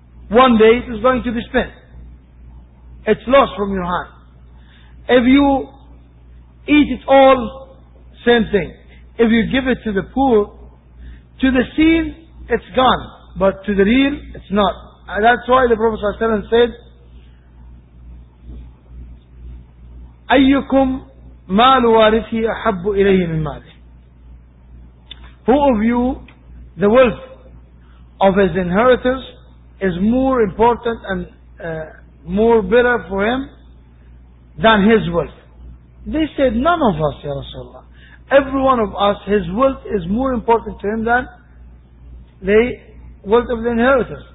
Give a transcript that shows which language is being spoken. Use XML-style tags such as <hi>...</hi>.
<en>One day it is going to be spent. It's lost from your heart. If you eat it all, same thing. If you give it to the poor, to the seen, it's gone. But to the real, it's not. And that's why the Prophet ﷺ said,</en> <ar>أَيُّكُمْ مَالُ وَارِثِهِ أَحَبُّ إِلَيْهِ مِنْ مَالِهِ.</ar> <en>Who of you, the wealth of his inheritance is more important and more better for him than his wealth? They said, none of us, Ya Rasulullah. Every one of us, his wealth is more important to him than the wealth of the inheritance.</en>